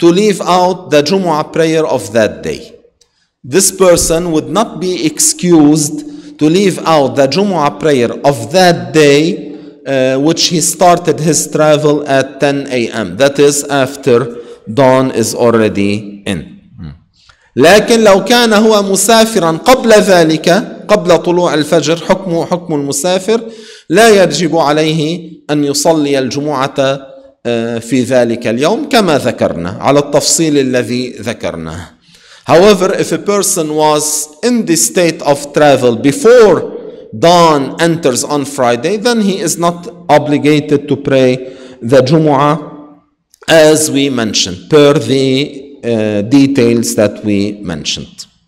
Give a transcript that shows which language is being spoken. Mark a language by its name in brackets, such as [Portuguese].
[English] to leave out the Jumu'ah prayer of that day. This person would not be excused to leave out the Jumu'ah prayer of that day, which he started his travel at 10 a.m. That is after dawn is already in. [Arabic] لكن لو كان هو مسافرا قبل ذلك قبل طلوع الفجر حكمه حكم المسافر لا يجب عليه أن يصلي الجمعة في ذلك اليوم كما ذكرنا على التفصيل الذي ذكرناه. [English] However, if a person was in the state of travel before dawn enters on Friday, then he is not obligated to pray the Jumu'ah as we mentioned, per the details that we mentioned.